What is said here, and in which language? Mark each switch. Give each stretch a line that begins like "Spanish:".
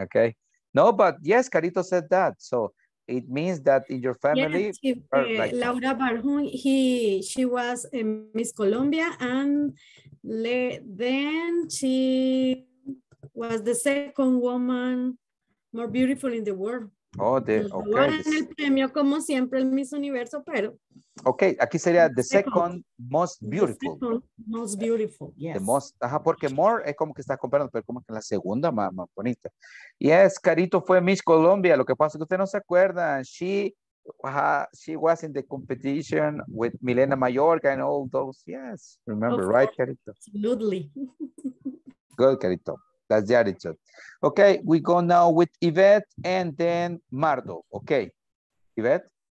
English: Okay. No, but yes, Carito said that. So it means that in your family, yes, like Laura Barjun, she was in Miss Colombia, and then she was the second woman more beautiful in the world. Oh, the okay.
Spanish: El premio como siempre el Miss Universo, pero okay, aquí sería
English: the second most beautiful. Most beautiful, yes. The most,
Spanish: ajá, porque more es como que está comparando, pero como que la segunda más bonita.
English: Yes,
Spanish: Carito fue Miss Colombia. Lo que pasa es que usted no se acuerda.
English: She was in the competition with Milena Mayorga and all those. Yes, remember, okay. Right, Carito? Absolutely. Good, Carito. That's the attitude. Okay, we go now with Yvette and then Mardo. Okay, Yvette.